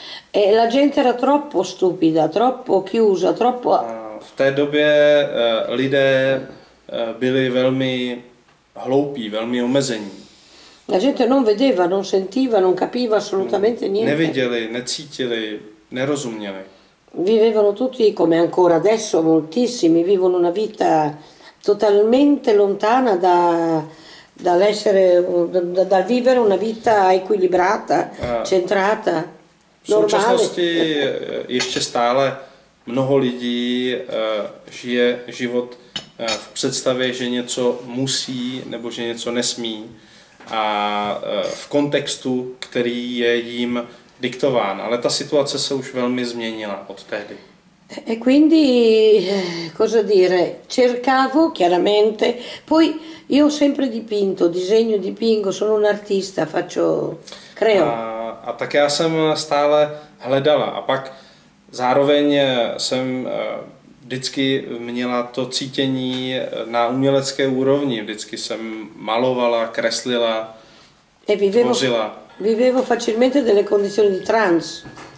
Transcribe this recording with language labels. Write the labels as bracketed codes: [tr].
[it] E la gente era troppo stupida, troppo chiusa, troppo. [cs] V té době lidé byli velmi hloupí, velmi omezení. [it] La gente non vedeva, non sentiva, non capiva assolutamente niente. [cs] Neviděli, necítili, nerozuměli. [it] Vivevano tutti come ancora adesso moltissimi, vivono una vita totalmente lontana dall'essere da vivere una vita equilibrata, centrata, normale. [cs] V současnosti ještě stále mnoho lidí žije život v představě, že něco musí nebo že něco nesmí, a v kontextu, který je jim diktován. Ale ta situace se už velmi změnila od tehdy. [it] E quindi cosa dire? Cercavo chiaramente. Poi io ho sempre dipinto, disegno, dipingo, sono un artista, faccio creo. [cs] A tak já jsem stále hledala. A pak zároveň jsem vždycky měla to cítění na umělecké úrovni. Vždycky jsem malovala, kreslila, tvořila. [it] Vivevo facilmente delle condizioni di trance.